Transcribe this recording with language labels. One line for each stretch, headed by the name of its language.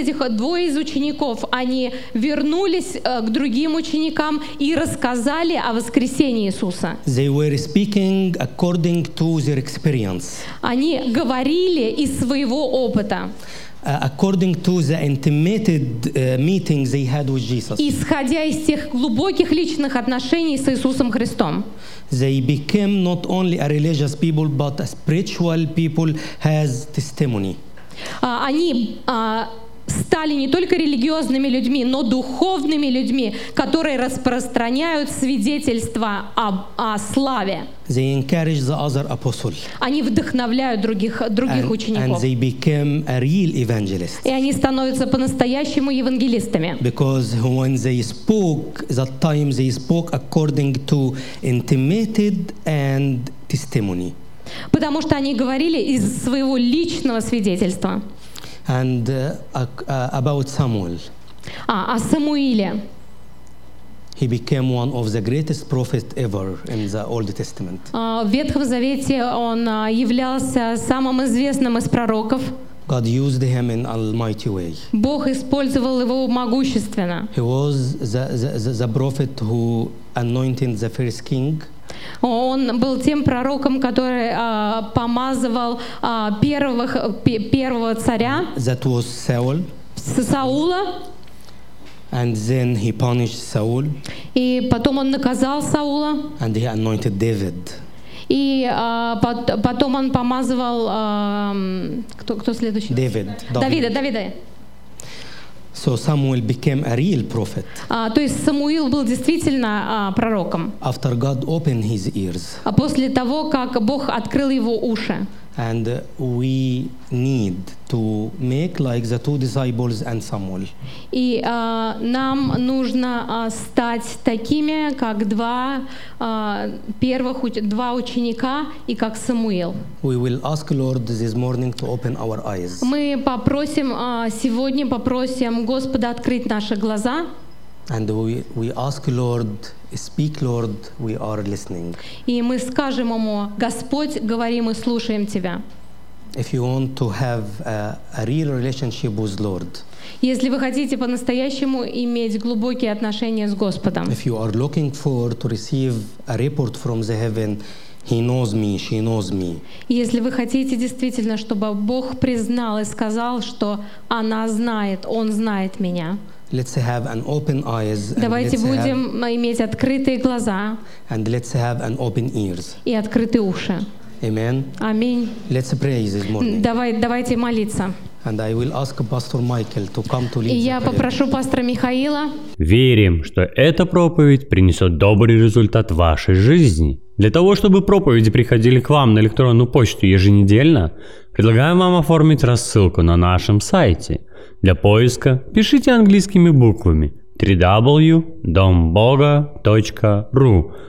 Russian: Двое из учеников, они вернулись к другим ученикам и рассказали о воскресении Иисуса.
English: They were speaking according to their experience.
Russian: Они говорили из своего опыта.
English: According to the intimate meeting they had with Jesus.
Russian: Исходя из тех глубоких личных отношений с Иисусом Христом.
English: They became not only a religious people, but a spiritual people has testimony.
Russian: Они стали не только религиозными людьми, но духовными людьми, которые распространяют свидетельства о славе.
English: They encourage the other apostles.
Russian: Они вдохновляют других учеников.
English: And they became a real evangelist.
Russian: И они становятся по-настоящему евангелистами.
English: Because when they spoke, that time they spoke according to intimate and testimony.
Russian: Потому что они говорили из своего личного свидетельства.
English: And about Samuel.
Russian: О Самуиле.
English: He became one of the greatest prophets ever in the Old Testament.
Russian: В Ветхом Завете он являлся самым известным из пророков.
English: God used him in almighty way.
Russian: Бог использовал его могущественно.
English: He was the prophet who anointed the first king.
Russian: Он был тем пророком, который помазывал первого царя.
English: That was Saul.
Russian: Саула.
English: And then he punished Saul.
Russian: И потом он наказал Саула.
English: And he anointed David.
Russian: И потом он помазывал кто следующий? Давида.
English: So Samuel became a real prophet.
Russian: То есть Самуил был действительно пророком.
English: After God opened his ears.
Russian: После того, как Бог открыл его уши.
English: And we need to make like the two disciples and Samuel.
Russian: И нам нужно стать такими, как два первых два ученика и как Самуил.
English: We will ask Lord this morning to open our eyes.
Russian: Мы попросим сегодня попросим Господа открыть наши глаза.
English: And we ask Lord, speak Lord, we are listening.
Russian: И мы скажем ему: Господь, говорим и слушаем тебя.
English: If you want to have a real relationship with Lord.
Russian: Если вы хотите по-настоящему иметь глубокие отношения с Господом.
English: If you are looking for to receive a report from the heaven, He knows me, she knows me.
Russian: Если вы хотите действительно, чтобы Бог признал и сказал, что она знает, он знает меня.
English: Let's have an open eyes.
Russian: Давайте будем иметь открытые глаза.
English: And let's have an open ears.
Russian: И открытые уши.
English: Amen.
Russian: Аминь.
English: Let's pray this morning.
Russian: Давайте молиться.
English: And I will ask Pastor Michael to come to lead.
Russian: И я попрошу пастора Михаила. Верим, что эта проповедь принесет добрый результат в вашей жизни. Для того, чтобы проповеди приходили к вам на электронную почту еженедельно, предлагаем вам оформить рассылку на нашем сайте. Для поиска пишите английскими буквами www.dombogo.ru.